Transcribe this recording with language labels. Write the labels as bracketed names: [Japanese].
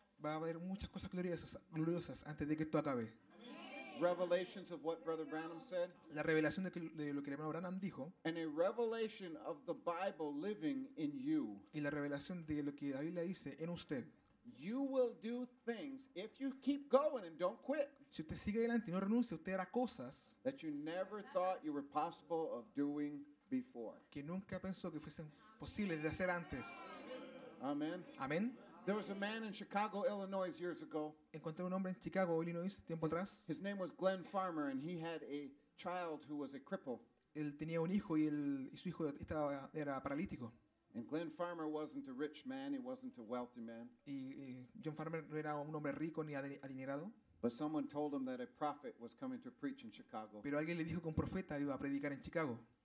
[Spanish] Va a haber muchas cosas gloriosas antes de que esto acabe. [English] Revelations of what Brother Branham said. [Spanish] La revelación de lo que hermano Branham dijo. [English] And a revelation of the Bible living in you. [Spanish] Y la revelación de lo que la Biblia dice en usted. [English] You will do things if you keep going and don't quit. [Spanish] Si usted sigue adelante y no renuncia, usted hará cosas [English] that you never thought you were possible of doing before. [Spanish] Que nunca pensó que fuesen posibles de hacer antes. [English] Amen. [Spanish] Amen. [English] There was a man in Chicago, Illinois, years ago. [Spanish] Encontré un hombre en Chicago, Illinois, tiempo atrás. [English] His name was Glenn Farmer, and he had a child who was a cripple. [Spanish] Él tenía un hijo y su hijo era paralítico. [English] And Glenn Farmer wasn't a rich man. He wasn't a wealthy man. [Spanish] Y John Farmer no era un hombre rico ni adinerado. [English] But someone told him that a prophet was coming to preach in Chicago. [Spanish] Pero alguien le dijo que un profeta iba a predicar en Chicago.